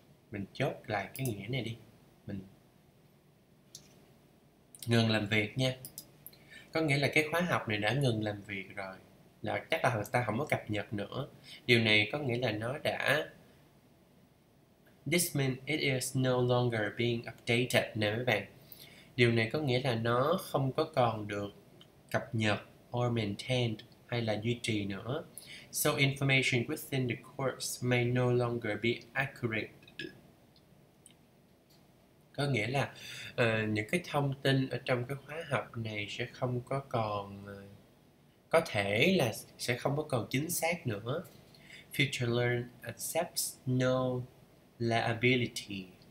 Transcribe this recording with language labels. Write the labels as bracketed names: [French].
[Vietnamese] Mình chốt lại cái nghĩa này đi, mình ngừng làm việc nha, có nghĩa là cái khóa học này đã ngừng làm việc rồi, là chắc là người ta không có cập nhật nữa. Điều này có nghĩa là nó đã, [English] this means it is no longer being updated [Vietnamese] nè mấy bạn. Điều này có nghĩa là nó không có còn được cập nhật [English] or maintained [Vietnamese] hay là duy trì nữa. [English] So information within the course may no longer be accurate. [Vietnamese] Có nghĩa là những cái thông tin ở trong cái khóa học này sẽ không có còn, có thể là sẽ không có còn chính xác nữa. [English] Future learn accepts no liability.